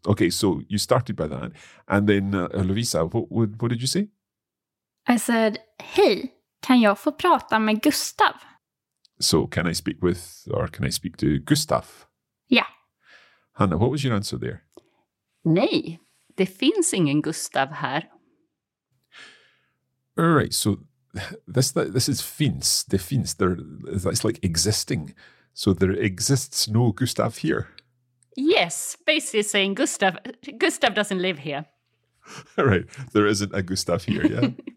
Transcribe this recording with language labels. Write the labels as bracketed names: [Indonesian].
[English] Okay, so you started by that. And then, Lovisa, what did you say? I said, hey, can [Swedish] jag få prata med Gustav? [English] So can I speak with, or can I speak to Gustav? Yeah. Hannah, what was your answer there? [Swedish] Nej, det finns ingen Gustav här. [English] All right, so this is finns, det finns, it's like existing. So there exists no Gustav here. Yes, basically saying Gustav doesn't live here. All right, there isn't a Gustav here, yeah?